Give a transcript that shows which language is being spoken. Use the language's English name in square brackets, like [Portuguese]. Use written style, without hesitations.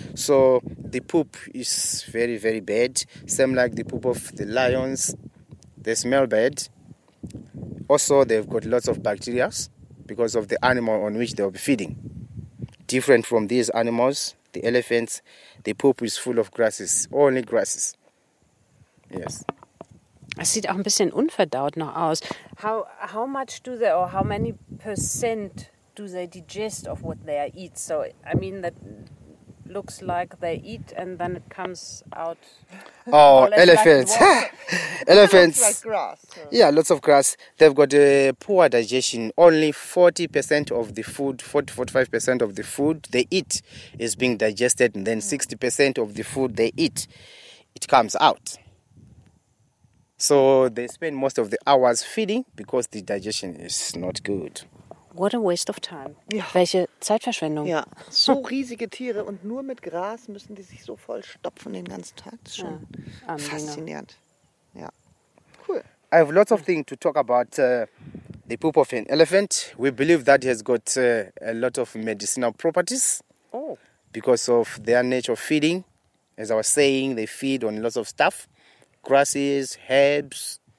[English] So the poop is very, very bad. Same like the poop of the lions. They smell bad. Also, they've got lots of bacteria because of the animal on which they'll be feeding. Different from these animals, the elephants, the poop is full of grasses, only grasses. Yes. [German] Es sieht auch ein bisschen unverdaut noch aus. [English] How much do they, or how many percent do they digest of what they eat? So, I mean, that looks like they eat and then it comes out. Oh, elephants. Like elephants. Like grass. So. Yeah, lots of grass. They've got a poor digestion. Only 40% of the food, 40-45% of the food they eat is being digested, and then 60% of the food they eat, it comes out. So they spend most of the hours feeding because the digestion is not good. What a waste of time. [German] Ja. Welche Zeitverschwendung. Ja, so riesige Tiere und nur mit Gras müssen die sich so voll stopfen den ganzen Tag. Das ist schon faszinierend. Ja, cool. [English] I have lots of things to talk about the poop of an elephant. We believe that it has got a lot of medicinal properties. Oh. Because of their nature of feeding. As I was saying, they feed on lots of stuff. Grasses, herbs,